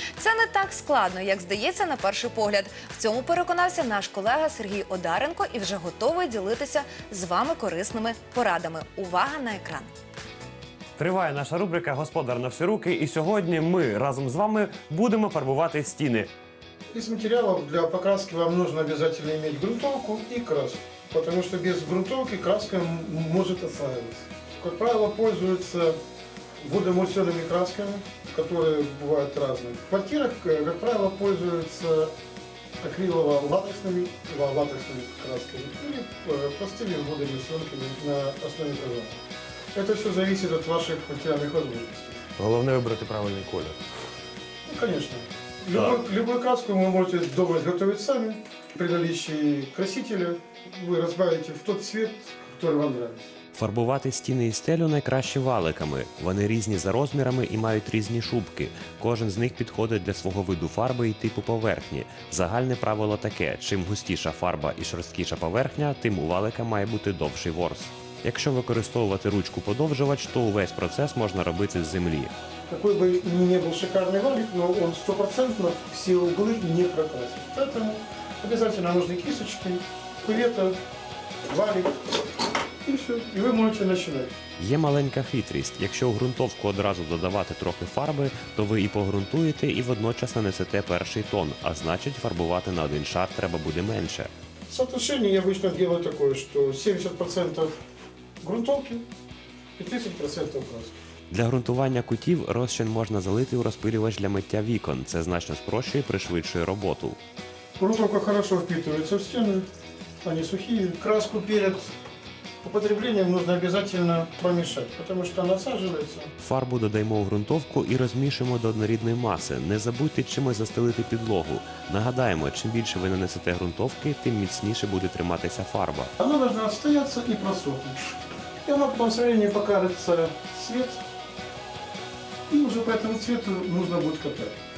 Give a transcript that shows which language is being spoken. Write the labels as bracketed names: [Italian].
[Ukrainian] Це не так складно, як здається на перший погляд. В цьому переконався наш колега Сергій Одаренко і вже готовий ділитися з вами корисними порадами. Увага на екран! Триває наша рубрика «Господар на всі руки» і сьогодні ми разом з вами будемо фарбувати стіни. Із матеріалів для покраски вам потрібно обов'язково мати ґрунтовку і краску. [Russian] Потому что без грунтовки краска может оставиться. Как правило, пользуются водоэмульсионными красками, которые бывают разные. В квартирах, как правило, пользуются акрилово-латексными красками или простыми водоэмульсионками на основе крыла. Это все зависит от ваших материальных возможностей. Главное выбрать правильный колер. Ну, конечно. Да. Любую краску вы можете дома изготовить сами при наличии красителя. [Ukrainian] Ви розбавите в той цвіт, який вам подобається. Фарбувати стіни і стелю найкраще валиками. Вони різні за розмірами і мають різні шубки. Кожен з них підходить для свого виду фарби і типу поверхні. Загальне правило таке – чим густіша фарба і шорсткіша поверхня, тим у валика має бути довший ворс. Якщо використовувати ручку-подовжувач, то увесь процес можна робити з землі. [Russian] какой бы ни был шикарный валик, но он стопроцентно все углы не прокрасит. Поэтому обязательно нужны кисточки, кювета, валик. [Ukrainian] І ви можете починати. Є маленька хитрість. Якщо у ґрунтовку одразу додавати трохи фарби, то ви і погрунтуєте, і водночас нанесете перший тон, а значить фарбувати на один шар треба буде менше. Соотношення я звичайно роблю таке, що 70% ґрунтовки і 30% краски. Для ґрунтування кутів розчин можна залити у розпилювач для миття вікон. Це значно спрощує, пришвидшує роботу. Ґрунтовка добре впитується в стіни, вони сухі. [Russian] Краску перед употреблением нужно обязательно помешать, потому что она саживается. [Ukrainian] Фарбу додаємо в ґрунтовку і розмішуємо до однорідної маси. Не забудьте чимось застелити підлогу. Нагадаємо, чим більше ви нанесете ґрунтовки, тим міцніше буде триматися фарба. Вона має стояти і просохнути. І вона по середині покажеться цвіт, і вже по цьому цвіту потрібно буде катати.